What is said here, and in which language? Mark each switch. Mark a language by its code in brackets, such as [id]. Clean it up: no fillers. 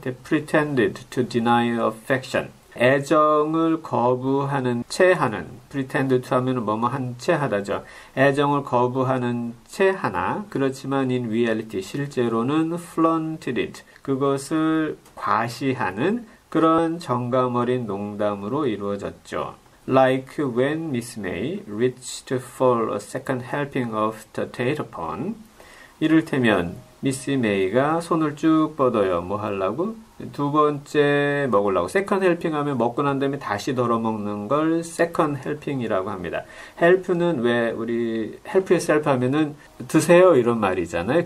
[en] They pretended to deny affection. [ko] 애정을 거부하는 채 하는, pretend to 하면 뭐뭐 한채 하다죠. 애정을 거부하는 채 하나, 그렇지만 [en] in reality, [ko] 실제로는 [en] flaunted it. [ko] 그것을 과시하는 그런 정감 어린 농담으로 이루어졌죠. [en] Like when Miss May reached for a second helping of the tater pan. [ko] 이를테면, 미스 메이가 손을 쭉 뻗어요. 뭐 하려고? 두 번째 먹으려고. 세컨 헬핑 하면 먹고 난 다음에 다시 덜어 먹는 걸 세컨 헬핑이라고 합니다. 헬프는 왜 우리 헬프 유어셀프 하면은 드세요 이런 말이잖아요.